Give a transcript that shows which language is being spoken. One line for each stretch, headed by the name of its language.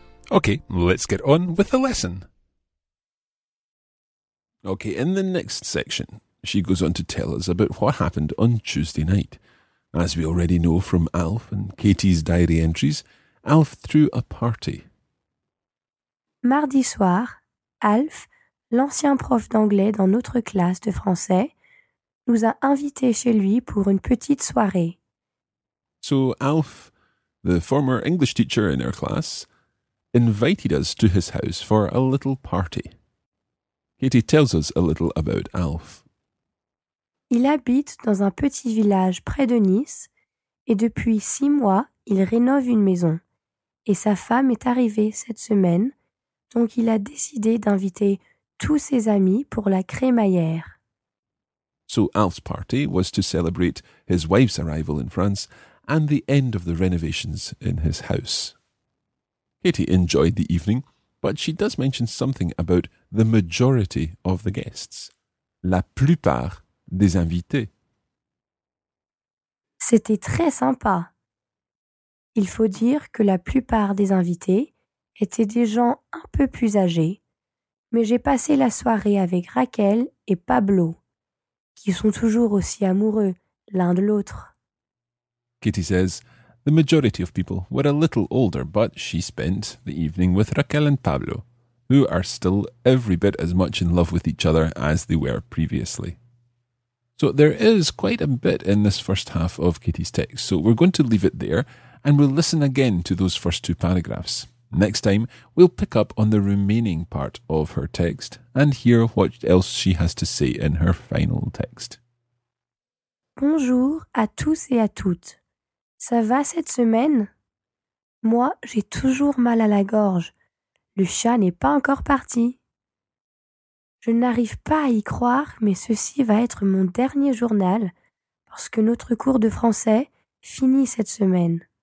English: Okay, let's get on with the lesson. Okay, in the next section, she goes on to tell us about what happened on Tuesday night. As we already know from Alf and Katie's diary entries, Alf threw a party.
French: Mardi soir, Alf, l'ancien prof d'anglais dans notre classe de français, nous a invités chez lui pour une petite soirée.
English: So Alf, the former English teacher in our class, invited us to his house for a little party. Katie tells us a little about Alf.
French: Il habite dans un petit village près de Nice et depuis 6 mois, il rénove une maison. Et sa femme est arrivée cette semaine, donc il a décidé d'inviter tous ses amis pour la crémaillère.
English: So Alf's party was to celebrate his wife's arrival in France and the end of the renovations in his house. Katie enjoyed the evening, but she does mention something about the majority of the guests.
French: La plupart des invités. C'était très sympa. Il faut dire que la plupart des invités étaient des gens un peu plus âgés, mais j'ai passé la soirée avec Raquel et Pablo, qui sont toujours aussi amoureux l'un de l'autre.
English: Kitty says, the majority of people were a little older, but she spent the evening with Raquel and Pablo, who are still every bit as much in love with each other as they were previously. So there is quite a bit in this first half of Kitty's text, so we're going to leave it there, and we'll listen again to those first two paragraphs. Next time, we'll pick up on the remaining part of her text and hear what else she has to say in her final text.
French: Bonjour à tous et à toutes. Ça va cette semaine? Moi, j'ai toujours mal à la gorge. Le chat n'est pas encore parti. Je n'arrive pas à y croire, mais ceci va être mon dernier journal parce que notre cours de français finit cette semaine.